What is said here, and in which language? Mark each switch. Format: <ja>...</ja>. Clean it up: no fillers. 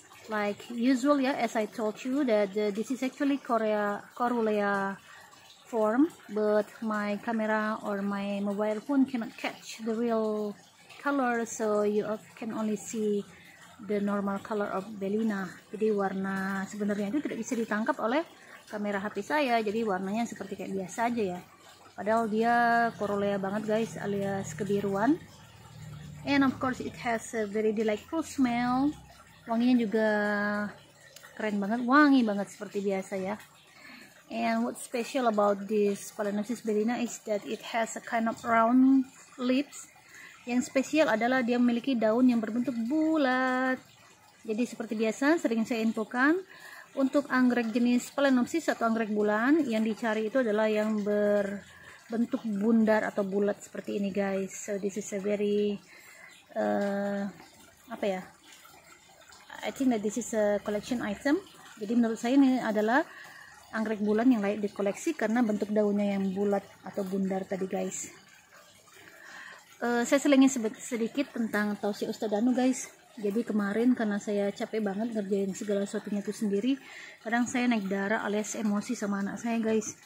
<en>Like usual ya, yeah, as I told you that this is actually corulea form, but my camera or my mobile phone cannot catch the real color, so you can only see the normal color of Bellina.</en> <id>Jadi warna sebenarnya itu tidak bisa ditangkap oleh kamera HP saya, jadi warnanya seperti kayak biasa aja ya. Padahal dia corulea banget guys, alias kebiruan.</id> <en>And of course it has a very delightful smell.</en> <id>Wanginya juga keren banget, wangi banget seperti biasa ya.</id> <en>And what's special about this Phalaenopsis Bellina is that it has a kind of round leaves.</en> <id>Yang spesial adalah dia memiliki daun yang berbentuk bulat. Jadi seperti biasa sering saya infokan, untuk anggrek jenis Phalaenopsis atau anggrek bulan yang dicari itu adalah yang berbentuk bundar atau bulat seperti ini guys.</id> <en>So this is a very</en> <id>apa ya,</id> <en>I think that this is a collection item.</en> <id>Jadi menurut saya ini adalah anggrek bulan yang layak dikoleksi karena bentuk daunnya yang bulat atau bundar tadi guys. Saya selingin sedikit tentang Tausiah Ustadz Danu guys. Jadi kemarin karena saya capek banget ngerjain segala sesuatunya itu sendiri, kadang saya naik darah alias emosi sama anak saya guys.</id>